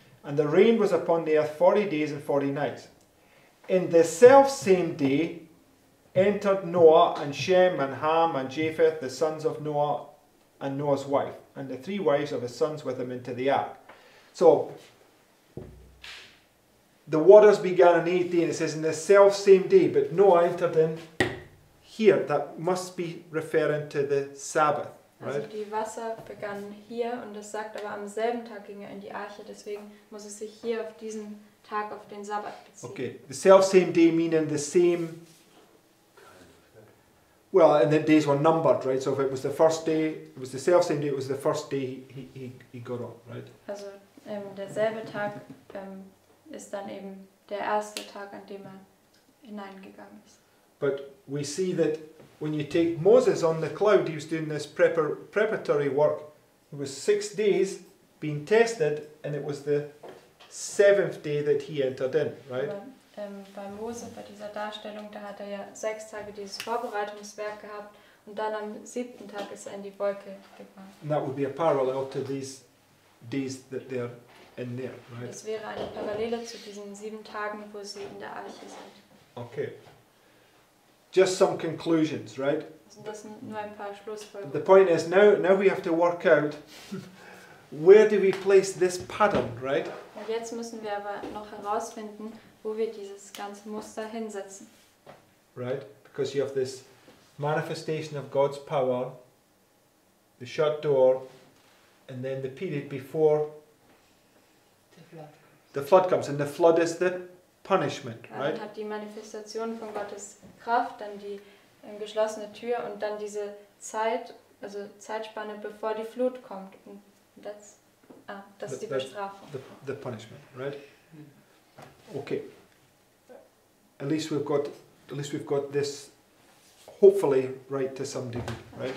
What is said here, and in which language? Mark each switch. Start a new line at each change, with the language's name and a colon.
English: And the rain was upon the earth 40 days and 40 nights. In the selfsame day entered Noah and Shem and Ham and Japheth, the sons of Noah and Noah's wife, and the three wives of his sons with him into the ark. So the waters began in 8 days, and it says in the selfsame day, but Noah entered in here. That must be referring to the Sabbath.
German: Also die Wasser begannen hier und das sagt, aber am selben Tag ging in die Arche, deswegen muss es sich hier auf diesen Tag, auf den Sabbat beziehen.
English: Okay, the selfsame day meaning the same, well, and the days were numbered, right? So if it was the first day, it was the selfsame day, it was the first day he got up, right?
German: Also derselbe Tag ist dann eben der erste Tag, an dem er hineingegangen ist.
English: But we see that when you take Moses on the cloud, he was doing this preparatory work. It was 6 days being tested, and it was the seventh day that he entered in, right?
German: Bei Moses, bei dieser Darstellung, da hat ja 6 Tage dieses Vorbereitungswerk gehabt, und dann am 7. Tag ist in die Wolke gegangen.
English: And that would be a parallel to these days that they're in there, right?
German: Das wäre eine Parallele zu diesen 7 Tagen, wo sie in der Arche sind.
English: Okay. Just some conclusions, right? The point is, now we have to work out where do we place this pattern, right?
German: Und jetzt müssen wir aber noch herausfinden, wo wir dieses ganze Muster hinsetzen.
English: Right? Because you have this manifestation of God's power, the shut door, and then the period before the flood comes. And the flood is the punishment, right?
German: Dann hat die Manifestation von Gottes Kraft, dann die geschlossene Tür und dann diese Zeit, also Zeitspanne, bevor die Flut kommt. Und das ist die Bestrafung.
English: The punishment, right? Okay. At least we've got this, hopefully, right to some degree, right?